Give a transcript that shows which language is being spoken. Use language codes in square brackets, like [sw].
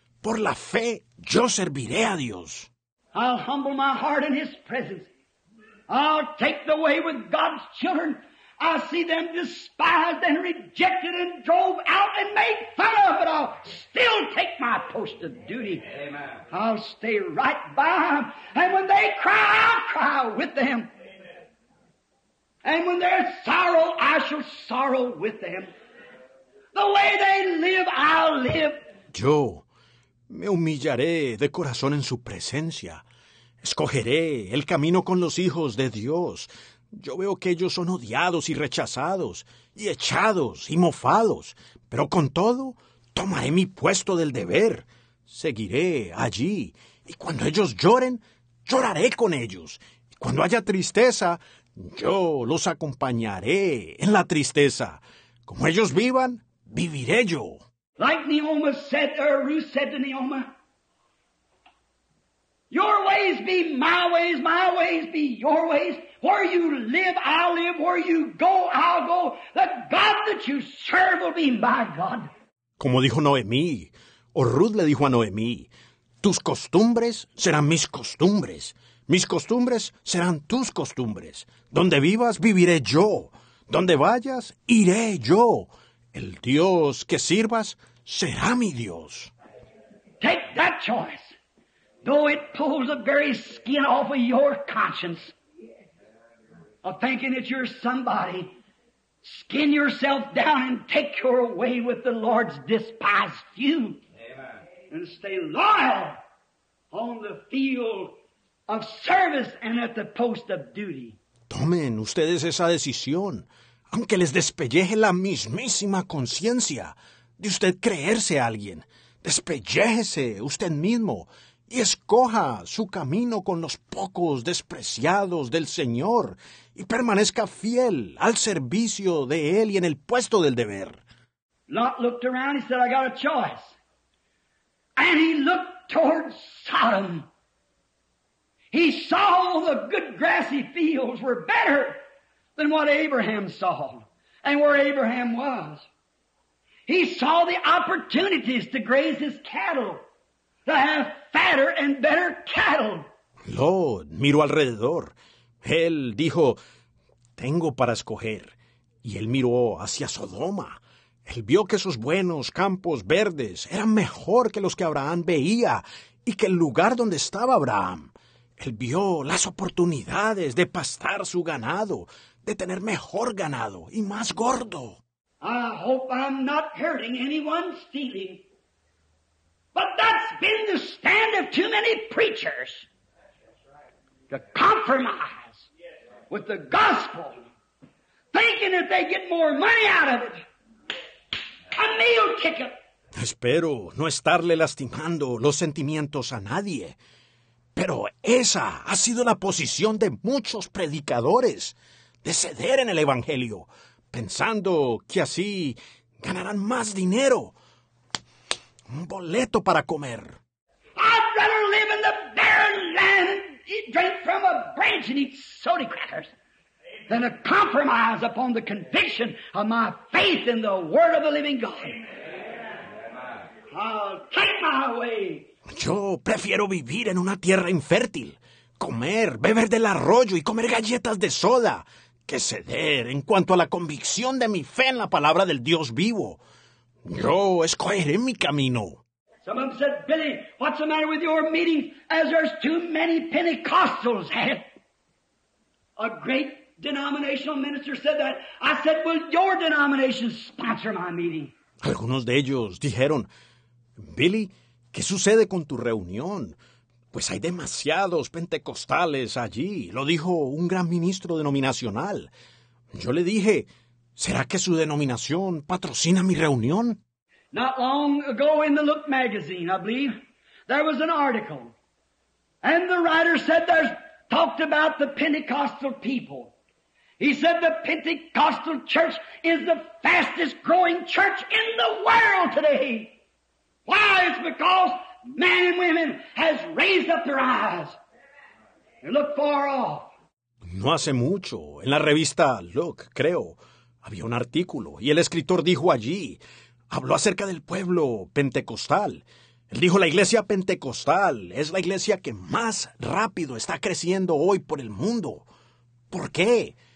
[es] Por la fe, yo serviré a Dios. [en] I'll humble my heart in His presence. I'll take the way with God's children. I'll see them despised and rejected and drove out and made fun of, but I'll still take my post of duty. Amen. I'll stay right by them. And when they cry, I'll cry with them. Amen. And when they're sorrow, I shall sorrow with them. The way they live, I'll live. [es] Yo me humillaré de corazón en su presencia. Escogeré el camino con los hijos de Dios, Yo veo que ellos son odiados y rechazados, y echados y mofados, pero con todo, tomaré mi puesto del deber. Seguiré allí, y cuando ellos lloren, lloraré con ellos. Y cuando haya tristeza, yo los acompañaré en la tristeza. Como ellos vivan, viviré yo. [en] Like Naoma said, or Ruth said to Naoma, your ways be my ways be your ways. Where you live, I'll live. Where you go, I'll go. The God that you serve will be my God. [es] Como dijo Noemí, o Ruth le dijo a Noemí, tus costumbres serán mis costumbres. Mis costumbres serán tus costumbres. Donde vivas, viviré yo. Donde vayas, iré yo. El Dios que sirvas será mi Dios. [en] Take that choice, though it pulls the very skin off of your conscience, of thinking that you're somebody. Skin yourself down and take your way with the Lord's despised few. Amen. And stay loyal on the field of service and at the post of duty. [es] Tomen ustedes esa decisión, aunque les despelleje la mismísima conciencia de usted creerse a alguien. Despelléjese usted mismo y escoja su camino con los pocos despreciados del Señor y permanezca fiel al servicio de Él y en el puesto del deber. [en] Lot looked around, he said, I got a choice. And he looked towards Sodom. He saw the good grassy fields were better than what Abraham saw and where Abraham was. He saw the opportunities to graze his cattle, to have fatter and better cattle. [es] Lot miró alrededor. Él dijo, tengo para escoger. Y él miró hacia Sodoma. Él vio que sus buenos campos verdes eran mejor que los que Abraham veía y que el lugar donde estaba Abraham. Él vio las oportunidades de pastar su ganado, de tener mejor ganado y más gordo. [en] I hope I'm not hurting anyone's feeling. But that's been the stand of too many preachers. To compromise with the gospel. Thinking that they get more money out of it. A meal ticket. [es] Espero no estarle lastimando los sentimientos a nadie. Pero esa ha sido la posición de muchos predicadores. De ceder en el evangelio. Pensando que así ganarán más dinero. Un boleto para comer. [en] I'd rather live in the barren land, eat, drink from a branch and eat soda crackers, than a compromise upon the conviction of my faith in the word of the living God. I'll take my way. [es] Yo prefiero vivir en una tierra infértil, comer, beber del arroyo y comer galletas de soda, que ceder en cuanto a la convicción de mi fe en la palabra del Dios vivo. Yo escogeré mi camino. [en] Some of them said, Billy, what's the matter with your meeting? As there's too many Pentecostals. A great denominational minister said that. I said, will your denomination sponsor my meeting? [es] Algunos de ellos dijeron, Billy, ¿qué sucede con tu reunión? Pues hay demasiados pentecostales allí, lo dijo un gran ministro denominacional. Yo le dije, ¿será que su denominación patrocina mi reunión? [en] Not long ago in the Look magazine, I believe, there was an article. And the writer said, there's talked about the Pentecostal people. He said, the Pentecostal church is the fastest growing church in the world today. Why? It's because men and women has raised up their eyes and look far off. [es] No hace mucho, en la revista Look, creo, había un artículo y el escritor dijo allí, habló acerca del pueblo pentecostal. Él dijo, la iglesia pentecostal es la iglesia que más rápido está creciendo hoy por el mundo. ¿Por qué?